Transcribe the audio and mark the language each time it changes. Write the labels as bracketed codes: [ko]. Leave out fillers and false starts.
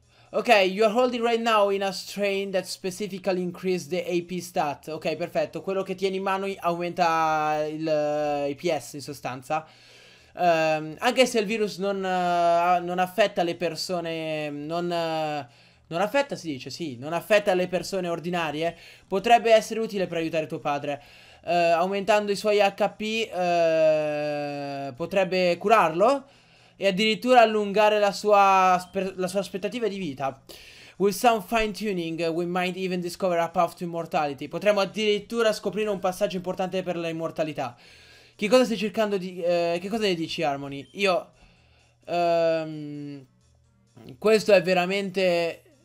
[en] Ok, you are holding right now in a strain that specifically increases the AP stat. [it] Ok, perfetto. Quello che tieni in mano aumenta il IPS in sostanza. Anche se il virus non affetta le persone. Non affetta, si dice, sì. Non affetta le persone ordinarie. Potrebbe essere utile per aiutare tuo padre. Aumentando i suoi HP, potrebbe curarlo. E addirittura allungare la sua aspettativa di vita. [en] With some fine tuning, we might even discover a path to immortality. [it] Potremmo addirittura scoprire un passaggio importante per l'immortalità. Che cosa stai cercando di. Che cosa ne dici, Harmony? Io. Questo è veramente.